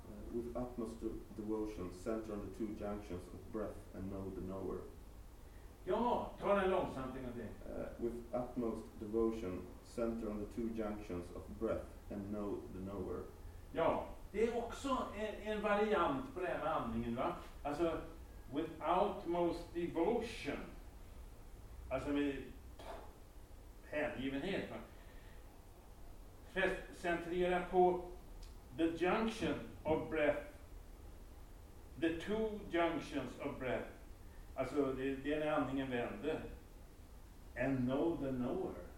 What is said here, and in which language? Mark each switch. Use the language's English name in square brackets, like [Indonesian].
[English] With utmost devotion, center on the two junctions of breath and know the knower. [Swedish] Ja, ta den långsamt en gång till. [English] With utmost devotion, center on the two junctions of breath and know the knower. [Swedish] Ja, det är också en variant på den här andningen, va? Alltså, [English] with utmost devotion, [Swedish] alltså med hängivenhet, va? Centrera på [English] the junction of breath, the two junctions of breath, [Swedish] alltså det är när andningen vänder, [English] and know the knower.